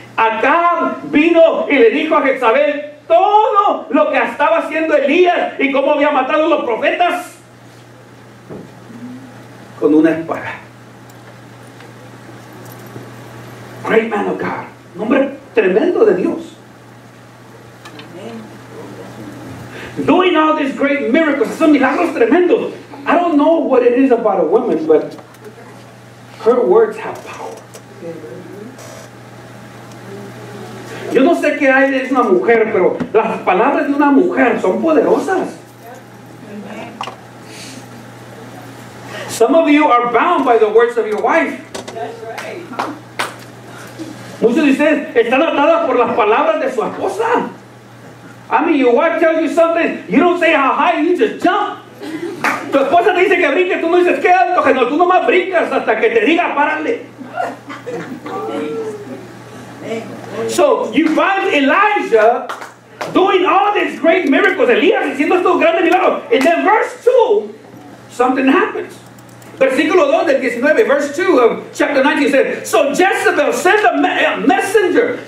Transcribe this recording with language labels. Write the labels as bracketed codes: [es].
[es] Acab vino y le dijo a Jezabel todo lo que estaba haciendo Elías y cómo había matado los profetas con una espada. [en] Great man of God. [es] Nombre tremendo de Dios. Amen. [en] Doing all these great miracles. [es] Son milagros tremendos. [en] I don't know what it is about a woman, but her words have power. [es] Yo no sé qué hay de una mujer, pero las palabras de una mujer son poderosas. [en] Some of you are bound by the words of your wife. That's right. [es] Muchos de ustedes están atadas por las palabras de su esposa. [en] I mean, your wife tells you something, you don't say how high, you just jump. [es] Tu esposa te dice que brinque, tú no dices qué alto, que no, tú nomás brincas hasta que te diga párale. [en] So, you find Elijah doing all these great miracles, [es] Elías haciendo estos grandes milagros. [en] And then verse 2, something happens. [es] Versículo 2 del 19, [en] verse 2 of chapter 19 said, so Jezebel sent a messenger.